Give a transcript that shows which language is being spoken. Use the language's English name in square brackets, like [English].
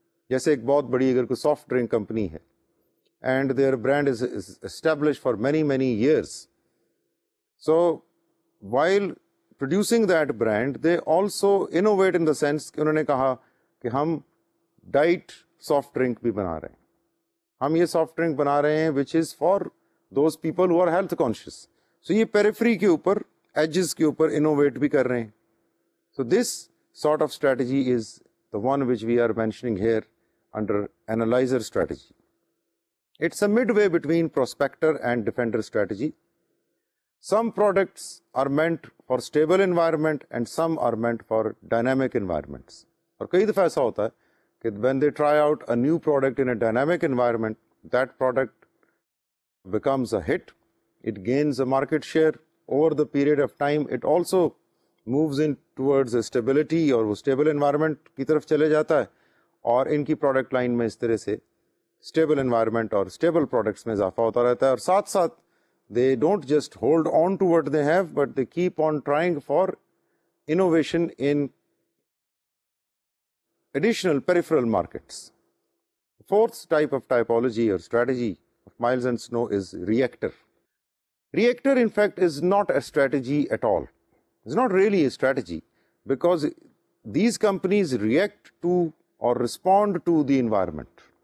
[Urdu] جیسے ایک بہت بڑی اگر کوئی سافٹ ڈرنک کمپنی ہے [English] and their brand is establish for many many years, so while producing that brand they also innovate in the sense [Urdu] کہ انہوں نے کہا کہ ہم ڈائٹ سافٹ ڈرنک بھی بنا رہے ہیں, ہم یہ سافٹ ڈرنک بنا رہے ہیں [English] Which is for those people who are health conscious. [Urdu] سو یہ پیریفری کے اوپر ایجز کے اوپر انوویٹ بھی کر رہے ہیں. [English] So this sort of strategy is the one which we are mentioning here under analyser strategy. It's a mid way between prospector and defender strategy. Some products are meant for stable environment and some are meant for dynamic environments. [Urdu] اور کئی دفعہ ایسا ہوتا ہے کہ [English] when they try out a new product in a dynamic environment that product becomes a hit, it gains a market share over the period of time, it also moves in towards a stability [Urdu] اور وہ stable environment کی طرف چلے جاتا ہے, اور ان کی product line میں اس طرح سے اسٹیبل انوائرمنٹ اور اسٹیبل پروڈکٹس میں اضافہ ہوتا رہتا ہے. اور ساتھ ساتھ [English] They don't just hold on to what they have but they keep on trying for innovation in additional peripheral markets. Fourth type of typology اور strategy of Miles and Snow is reactor. Reactor in fact is not a strategy at all. It's not really a strategy because these companies react to or respond to the environment.